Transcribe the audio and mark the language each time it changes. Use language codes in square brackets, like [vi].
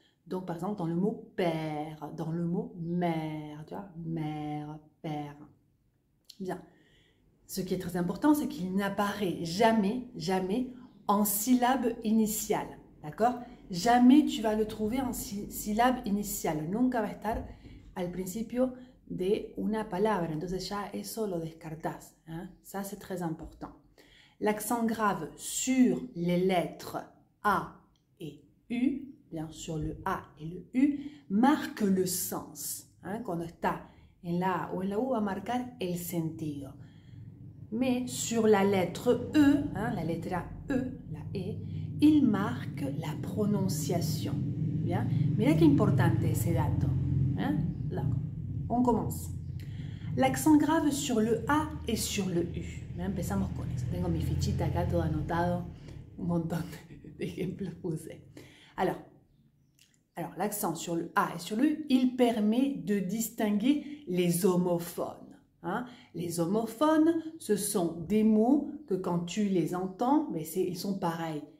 [fr] Donc, par exemple, dans le mot père, dans le mot mère, tu vois, mère, père. Bien. Ce qui est très important, c'est qu'il n'apparaît jamais, jamais en syllabe initiale. D'accord? Jamais tu vas le trouver en syllabe initiale. [es] Nunca va estar al principio de una palabra. Entonces ya eso lo descartas. [fr] Hein? Ça, c'est très important. L'accent grave sur les lettres A et U, bien sûr le A et le U, marque le sens. Hein? [es] Cuando está en la A o en la U, va marcar el sentido. [fr] Mais sur la lettre E, hein, la lettre A, E, la E, il marque la prononciation. Bien? [es] Mira qué importante ese dato. [fr] Hein? On commence. L'accent grave sur le A et sur le U. [es] Empezamos con eso. Tengo mi fichita acá todo anotado. [fr] Un montón d'exemples posés. Alors, l'accent sur le A et sur le U, il permet de distinguer les homophones. Hein? Les homophones, ce sont des mots que quand tu les entends, ils sont pareils.